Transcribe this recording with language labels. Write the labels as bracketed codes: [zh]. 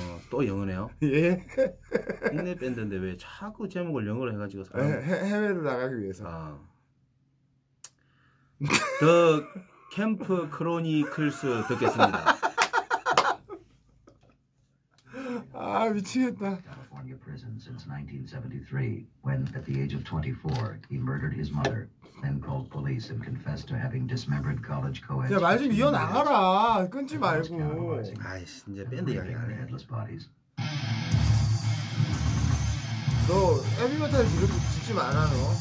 [ko] 또 영어네요. 예. 국내 밴드인데 왜 자꾸 제목을 영어로 해가지고 사람 해외로 나가기 위해서. 더 캠프 크로니클스 듣겠습니다. 아, 미치겠다. [en] California prison since 1973 when at the age of 24 he murdered his mother then called police and confessed to having dismembered college co-eds. [ko] 야, 말 좀 이어 나가라. 끊지 말고. 아이씨, 이제 밴드 이야기 안 해. [en] Headless bodies. [ko] 너 헤비메탈 이렇게 듣지 마라 너.